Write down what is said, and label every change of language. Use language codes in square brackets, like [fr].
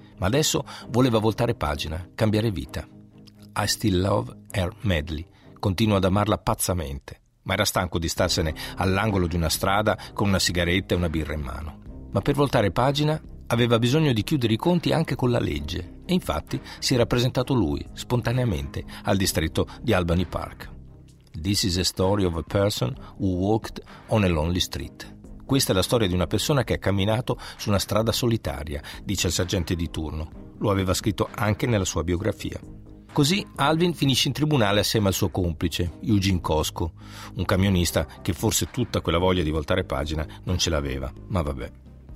[it] Ma adesso voleva voltare pagina, cambiare vita. [en] I still love her madly, [it] continuo ad amarla pazzamente, ma era stanco di starsene all'angolo di una strada con una sigaretta e una birra in mano. Ma per voltare pagina aveva bisogno di chiudere i conti anche con la legge e infatti si era presentato lui, spontaneamente, al distretto di Albany Park. [en] This is a story of a person who walked on a lonely street. [it] Questa è la storia di una persona che ha camminato su una strada solitaria, dice il sergente di turno. Lo aveva scritto anche nella sua biografia. Così Alvin finisce in tribunale assieme al suo complice, Eugene Cosco, un camionista che forse tutta quella voglia di voltare pagina non ce l'aveva, ma vabbè.